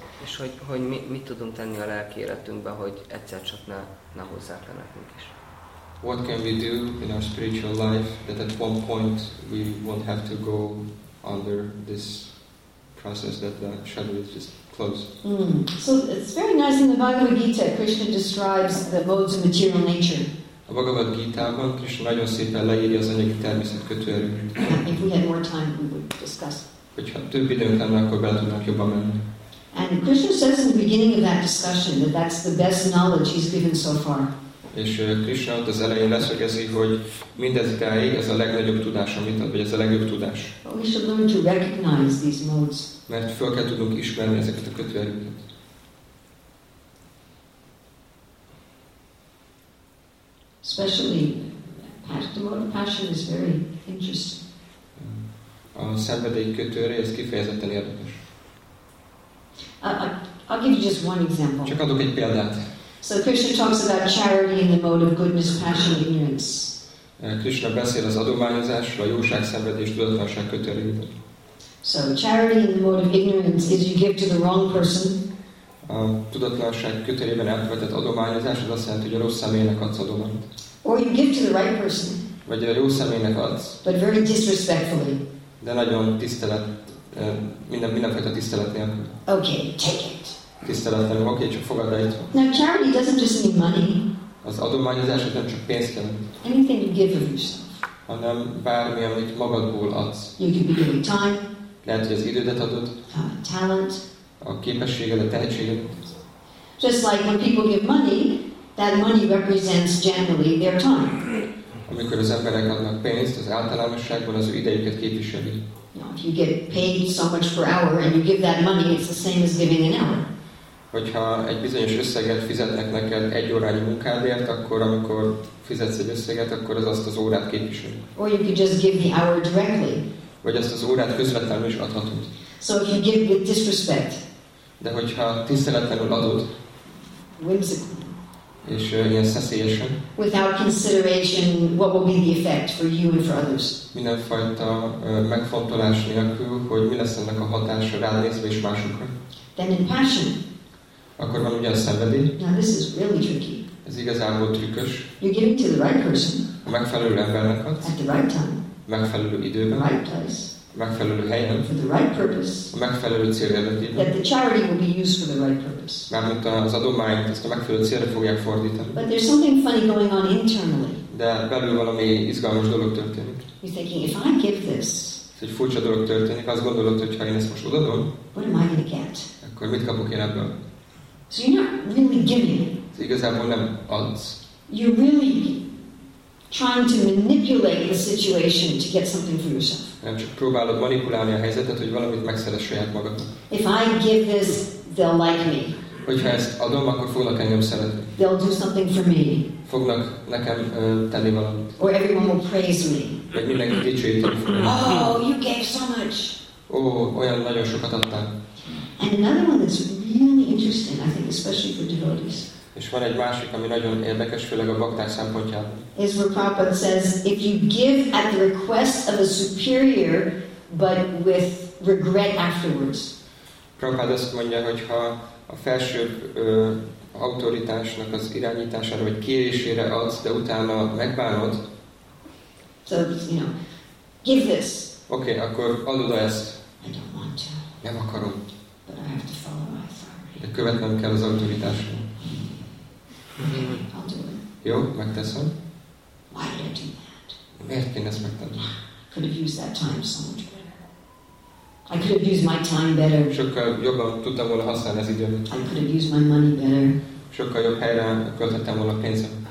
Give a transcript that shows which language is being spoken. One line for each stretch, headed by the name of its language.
Hungarian: És hogy mi tudunk tenni a lelki életünkben, hogy egyszer csak ne hozzák le nekünk is.
English: What can we do in our spiritual life that at one point we won't have to go under this process that the shadow is just closed? Mm. So it's very nice in the Bhagavad Gita, Krishna describes the modes of material nature.
Hungarian: A Bhagavad Gita-ban Krishna nagyon szépen leírja az anyagi természet kötőerőt.
English: If we had more time, we would discuss.
Hungarian: Hogyha több időnk lenne, akkor be tudnánk jobban menni.
English: And Krishna says in the beginning of that discussion that that's the best knowledge he's given so far.
Hungarian: És Krishna ott az elején leszögezi, hogy mindezidáig ez a legnagyobb tudás, amit ad, vagy ez a legjobb tudás.
English: But we should learn to recognize these modes.
Hungarian: Mert fel kell tudnunk ismerni ezeket a kötőerőket.
English: Especially the mode of passion is very interesting.
Hungarian: A szenvedély kötőre ez kifejezetten érdekes.
English: I'll give you just one example.
Hungarian: Csak adok egy példát.
English: So Krishna talks about charity in the mode of goodness, passion, ignorance.
Hungarian: Krishna beszél az adományozásról, a jóság, szenvedély és tudatlanság kötőreiben.
English: So charity in the mode of ignorance is you give to the wrong person.
Hungarian: A tudatlanság kötelében elkövetett adományozás az azt jelenti, hogy a rossz személynek adsz adományt.
English: Or you give to the right person.
Hungarian: Vagy a jó személynek adsz.
English: But very disrespectfully.
Hungarian: De nagyon tisztelet, mindenfajta tisztelet nélkül.
English: Okay, take it.
Hungarian: Tisztelet nélkül, okay, csak fogadd el.
English: Now charity doesn't just mean money.
Hungarian: Az adományozás nem csak pénz jelent.
English: Anything you give of yourself.
Hungarian: Hanem bármi, amit magadból adsz.
English: You can be giving time.
Hungarian: Lehet, hogy az idődet adod.
English: Talent.
Hungarian: A képességed, a tehetséged.
English: Just like when people give money, that money represents generally their time.
Hungarian: Amikor az emberek adnak pénzt, az általánosságban az ő idejüket képviseli.
English: If you get paid so much per hour and you give that money, it's the same as giving an hour.
Hungarian: Hogyha egy bizonyos összeget fizetnek neked egy órányi munkádért, akkor amikor fizetsz egy összeget, akkor az azt az órát képviseli.
English: Or you could just give the hour directly.
Hungarian: Vagy azt az órát közvetlenül is adhatod.
English: So if you give with disrespect,
Hungarian: De hogyha tiszteletlenül adod,
English: whimsically,
Hungarian: és ilyen szeszélyesen,
English: without consideration what will be the effect for you and for others,
Hungarian: mindenfajta megfontolás nélkül, hogy mi lesz ennek a hatása rád nézve és másokra,
English: then in passion,
Hungarian: akkor van ugye a szenvedély.
English: Now this is really tricky.
Hungarian: Ez igazából trükkös.
English: You're giving to the right person.
Hungarian: A megfelelő embernek adsz.
English: At the right time.
Hungarian: Megfelelő időben.
English: The right place.
Hungarian: Megfelelő helyen.
English: For the right purpose.
Hungarian: A megfelelő cél érdekében.
English: That the charity will be used for the right purpose.
Hungarian: Mármint az adományt ezt a megfelelő célra fogják fordítani.
English: But there's something funny going on internally.
Hungarian: De belül valami izgalmas dolog történik.
English: You're thinking, if I give this,
Hungarian: ez egy furcsa dolog történik. Azt gondolod, hogy ha én ezt most odaadom,
English: what am I gonna get?
Hungarian: Akkor mit kapok én ebből?
English: So you're not really giving.
Hungarian: Igazából nem adsz.
English: You're really trying to manipulate the situation to get something for yourself.
Hungarian: Nem csak próbálod manipulálni a helyzetet, hogy valamit megszeres saját magadnak.
English: If I give this, they'll like me.
Hungarian: Hogyha ezt adom, akkor fognak engem szeretni.
English: They'll do something for me.
Hungarian: Fognak nekem tenni valamit.
English: Or everyone will praise me.
Hungarian: Vagy mindenki dicsőíteni fog.
English: Oh, you gave so much.
Hungarian: Oh, olyan nagyon sokat adtál.
English: And another one that's really interesting, I think, especially for devotees.
Hungarian: És van egy másik, ami nagyon érdekes, főleg a bakták szempontjából.
English: Is where Prabhupada says, if you give at the request of a superior, but with regret afterwards.
Hungarian: Prabhupada azt mondja, hogyha a felsőbb autoritásnak az irányítására, vagy kérésére adsz, de utána megbánod.
English: So, you know, give this.
Hungarian: Okay, akkor adod ezt.
English: I don't want to.
Hungarian: Nem akarom.
English: But I have to follow my authority.
Hungarian: De követnem kell az autoritásra.
English: I'll do it.
Hungarian: Jó, megteszem.
English: Why did I do that?
Hungarian: Miért kéne ezt megtenni?
English: Could have used that time so much better. I could have used my time better.
Hungarian: Sokkal jobban tudtam volna használni az időt.
English: I could have used my money better.
Hungarian: Sokkal jobb helyre költhettem volna a pénzem.